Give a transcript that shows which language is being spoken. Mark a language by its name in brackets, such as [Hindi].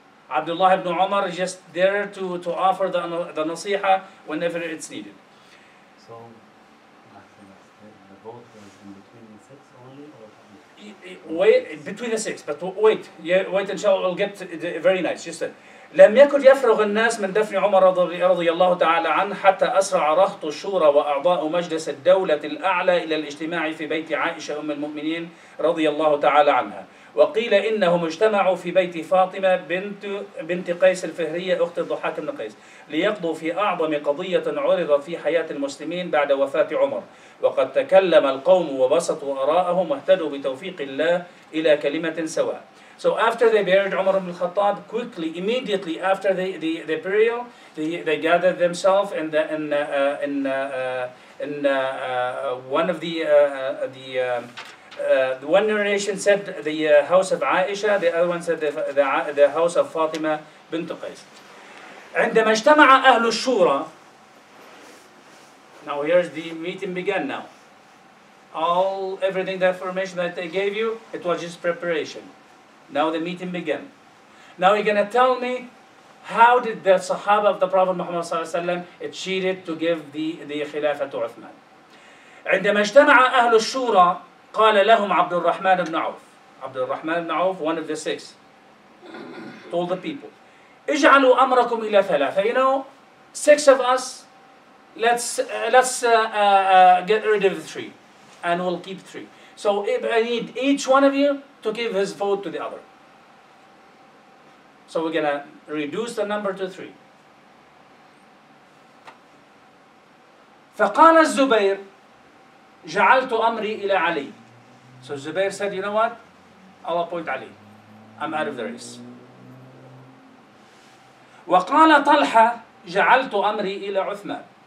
[English] Abdullah ibn Umar is just there to offer the nasiha whenever it's needed. So, the vote was in between the six only, or wait, inshallah, we'll get very nice. Just said, [Arabic] لم يكن يفرغ الناس من دفن عمر رضي الله تعالى عنه حتى أسرع رهط الشورى وأعضاء مجلس الدولة الأعلى إلى الاجتماع في بيت عائشة أم المؤمنين رضي الله تعالى عنها. وقيل إنهم اجتمعوا في بيت فاطمة بنت قيس الفهرية أخت الضحاك بن قيس ليقضوا في أعظم قضية عرضت في حياة المسلمين بعد وفاة عمر. وقد تكلم القوم وبسطوا آراءهم واهتدوا بتوفيق الله إلى كلمة سواء. [English] So after they buried Umar ibn al-Khattab, quickly, immediately after the burial, they gathered themselves one narration said the house of Aisha, the other one said the house of Fatima bint Qais. [Arabic] عندما اجتمع أهل الشورى. [English] Now here's the meeting began now. All everything the information that they gave you, it was just preparation. Now the meeting began. Now you're gonna tell me, how did the Sahaba of the Prophet Muhammad sallallahu alaihi wasallam cheated to give the Khilafa to Uthman? [Arabic] عندما اجتمع أهل الشورى قال لهم عبد الرحمن بن عوف. [English] عبد الرحمن بن عوف, one of the six, told the people, [Arabic] اجعلوا أمركم إلى ثلاثة. [English] You know, six of us, let's get rid of the three, and we'll keep three. So I need each one of you to give his vote to the other. So we're gonna reduce the number to three. [Arabic] فقال الزبير جعلت أمري إلى علي. [English] So Zubair said, you know what? I'll appoint Ali. I'm out of the race. [Arabic] وقال طلحة جعلت أمري إلى عثمان.